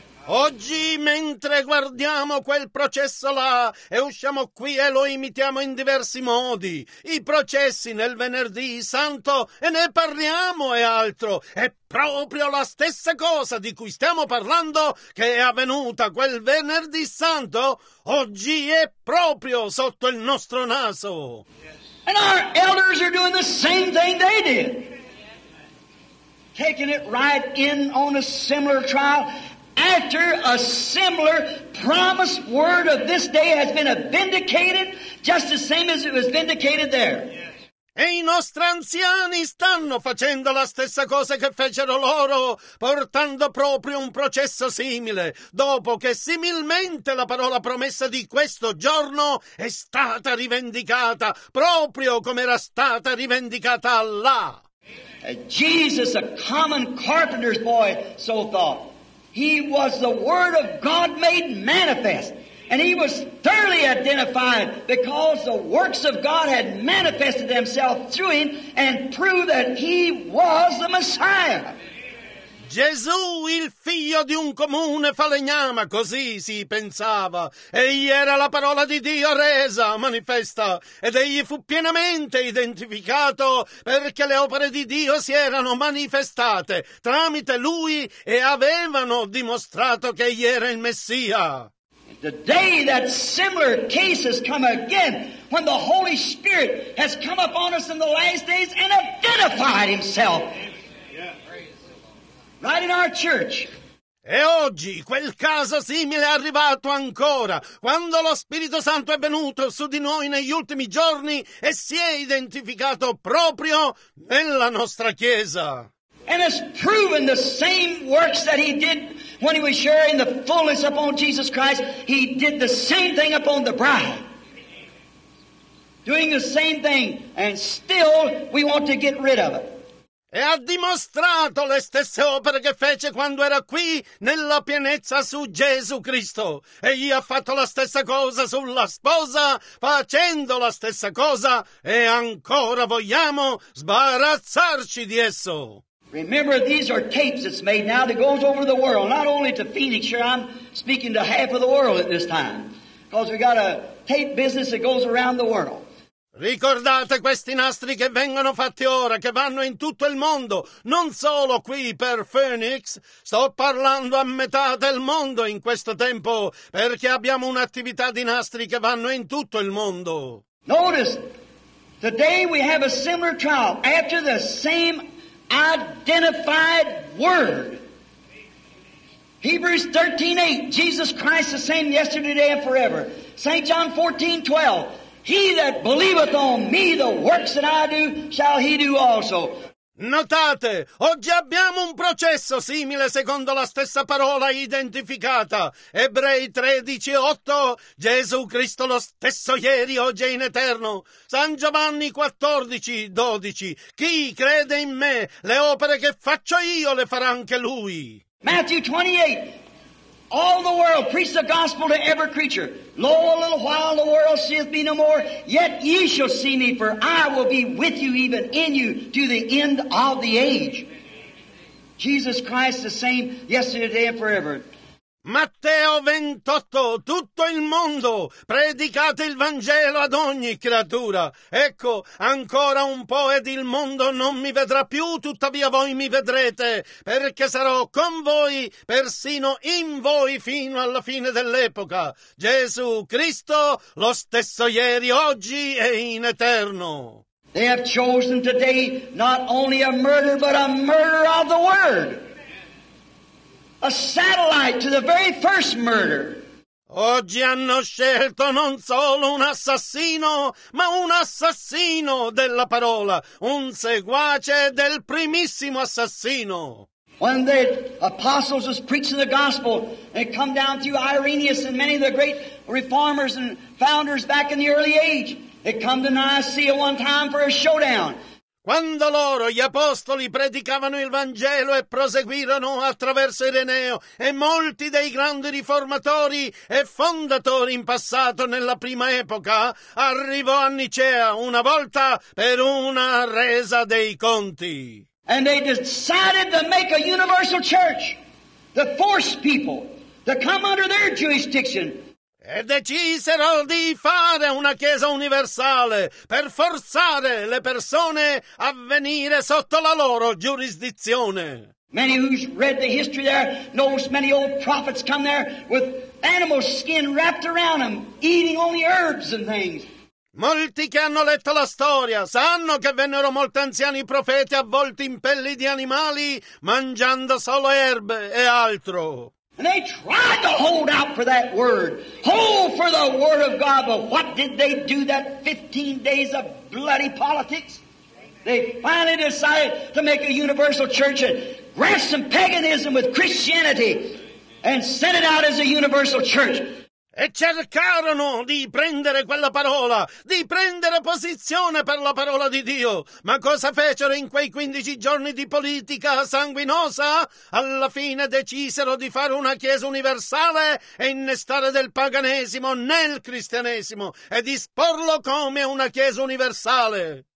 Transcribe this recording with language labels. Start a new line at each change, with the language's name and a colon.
Italian: Oggi mentre guardiamo quel processo là e usciamo qui e lo imitiamo in diversi modi, i processi nel venerdì santo e ne parliamo e altro, è proprio la stessa cosa di cui stiamo parlando che è avvenuta quel venerdì santo, oggi è proprio sotto il nostro naso.
English: Yes. And our elders are doing the same thing they did. Taking it right in on a similar trial. After a similar promised word of this day has been vindicated, just the same as it was vindicated there.
Italian: E i nostri anziani stanno facendo la stessa cosa che fecero loro, portando proprio un processo simile, dopo che similmente la parola promessa di questo giorno è stata rivendicata, proprio come era stata rivendicata là.
English: Jesus, a common carpenter's boy, so thought. He was the Word of God made manifest, and he was thoroughly identified because the works of God had manifested themselves through him and proved that he was the Messiah.
Italian: Gesù, il figlio di un comune falegname, così si pensava. Egli era la parola di Dio resa, manifesta, ed egli fu pienamente identificato perché le opere di Dio si erano manifestate tramite lui e avevano dimostrato che egli era il Messia.
English: The day that similar cases come again, when the Holy Spirit has come upon us in the last days and identified himself. Right in our church.
Italian: E oggi quel caso simile è arrivato ancora, quando lo Spirito Santo è venuto su di noi negli ultimi giorni e si è identificato proprio nella nostra chiesa.
English: And has proven the same works that he did when he was sharing the fullness upon Jesus Christ, he did the same thing upon the bride. Doing the same thing, and still we want to get rid of it.
Italian: E ha dimostrato le stesse opere che fece quando era qui nella pienezza su Gesù Cristo. Egli ha fatto la stessa cosa sulla sposa, facendo la stessa cosa, e ancora vogliamo sbarazzarci di esso.
English: Remember, these are tapes that's made now that goes over the world, not only to Phoenix. Here I'm speaking to half of the world at this time, because we got a tape business that goes around the world.
Italian: Ricordate questi nastri che vengono fatti ora, che vanno in tutto il mondo, non solo qui per Phoenix. Sto parlando a metà del mondo in questo tempo, perché abbiamo un'attività di nastri che vanno in tutto il mondo.
English: Notice, today we have a similar trial after the same identified word. Hebrews 13:8, Jesus Christ the same yesterday, today, and forever. St. John 14:12. He that believeth on me, the works that I do, shall he do also.
Italian: Notate, oggi abbiamo un processo simile secondo la stessa parola identificata. Ebrei 13:8, Gesù Cristo lo stesso ieri, oggi e in eterno. San Giovanni 14:12, chi crede in me, le opere che faccio io le farà anche lui.
English: Matthew 28, all the world, preach the gospel to every creature. Lo, a little while the world seeth me no more, yet ye shall see me, for I will be with you, even in you, to the end of the age. Jesus Christ the same yesterday, today, and forever.
Italian: Matteo 28, tutto il mondo, predicate il Vangelo ad ogni creatura. Ecco, ancora un po' ed il mondo non mi vedrà più, tuttavia voi mi vedrete, perché sarò con voi, persino in voi, fino alla fine dell'epoca. Gesù Cristo, lo stesso ieri, oggi e in eterno.
English: They have chosen today not only a murder, but a murder of the word. A satellite to the very first murder.
Italian: Oggi hanno scelto non solo un assassino, ma un assassino della parola, un seguace del primissimo assassino.
English: When the apostles was preaching the gospel, they come down through Irenaeus and many of the great reformers and founders back in the early age. They come to Nicaea one time for a showdown.
Italian: Quando loro, gli apostoli, predicavano il Vangelo e proseguirono attraverso Ireneo e molti dei grandi riformatori e fondatori in passato nella prima epoca, arrivò a Nicea una volta per una resa dei conti.
English: And they decided to make a universal church to force people to come under their jurisdiction.
Italian: E decisero di fare una chiesa universale per forzare le persone a venire sotto la loro giurisdizione.
English: Many who've read the history there knows many old prophets come there with animal skin wrapped around them, eating only herbs and things.
Italian: Molti che hanno letto la storia sanno che vennero molti anziani profeti avvolti in pelli di animali, mangiando solo erbe e altro.
English: And they tried to hold out for that word, hold for the word of God, but what did they do that 15 days of bloody politics? They finally decided to make a universal church and grasp some paganism with Christianity and send it out as a universal church.
Italian: E cercarono di prendere quella parola, di prendere posizione per la parola di Dio. Ma cosa fecero in quei 15 giorni di politica sanguinosa? Alla fine decisero di fare una chiesa universale e innestare del paganesimo nel cristianesimo e disporlo come una chiesa universale.